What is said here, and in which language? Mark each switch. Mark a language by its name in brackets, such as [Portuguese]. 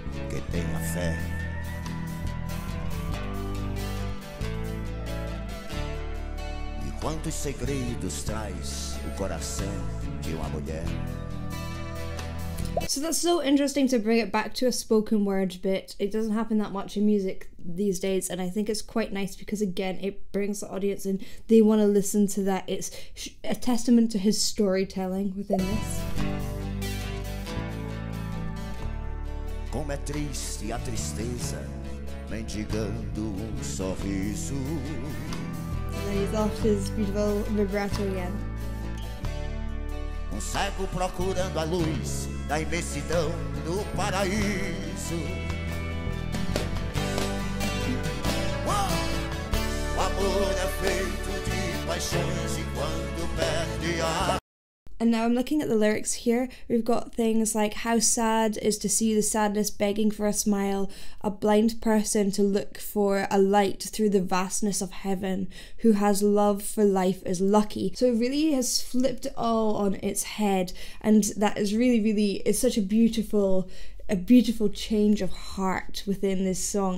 [Portuguese] Quem tem a fé? E quantos segredos traz o coração de uma mulher? [English] So that's so interesting to bring it back to a spoken word bit. It doesn't happen that much in music these days, and I think it's quite nice because, again, it brings the audience in. They want to listen to that. It's a testament to his storytelling within this. [Portuguese] Como é triste a tristeza mendigando um sorriso. [English] And then he's off his beautiful vibrato again. [Portuguese] Um cego procurando a luz da imensidão do paraíso. O amor é feito de paixões e quando perde a... [English] And now I'm looking at the lyrics here. We've got things like, how sad is to see the sadness begging for a smile, a blind person to look for a light through the vastness of heaven, who has love for life is lucky. So it really has flipped it all on its head, and that is really, really, it's such a beautiful change of heart within this song.